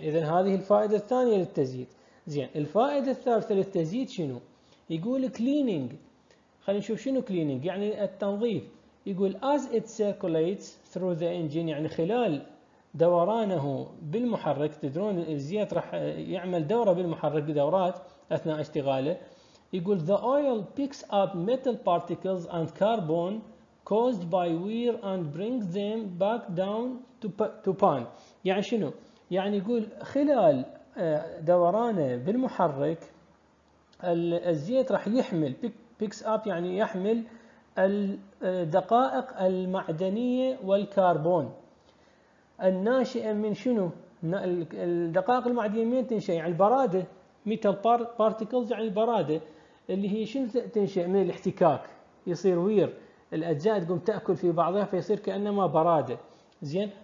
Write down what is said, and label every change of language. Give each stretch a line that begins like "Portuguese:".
Arabic: إذن هذه الفائدة الثانية للتزييد زين. الفائدة الثالثة للتزييد شنو؟ يقول cleaning، خلينا نشوف شنو cleaning يعني التنظيف. يقول
English: as it circulates through the engine
Arabic: يعني خلال دورانه بالمحرك، تدرون الزيت راح يعمل دورة بالمحرك دورات أثناء اشتغاله.
English: يقول the oil picks up metal particles and carbon caused by wear and brings them back down to pan.
Arabic: يعني شنو؟ يعني يقول خلال دورانه بالمحرك الزيت راح يحمل picks up يعني يحمل الدقائق المعدنية والكربون الناشئة من شنو؟ الدقائق المعدنية من تنشأ؟ يعني البرادة، metal particles يعني البرادة اللي هي شنو تنشأ؟ من الاحتكاك، يصير وير الأجزاء تقوم تأكل في بعضها فيصير كأنما برادة زين.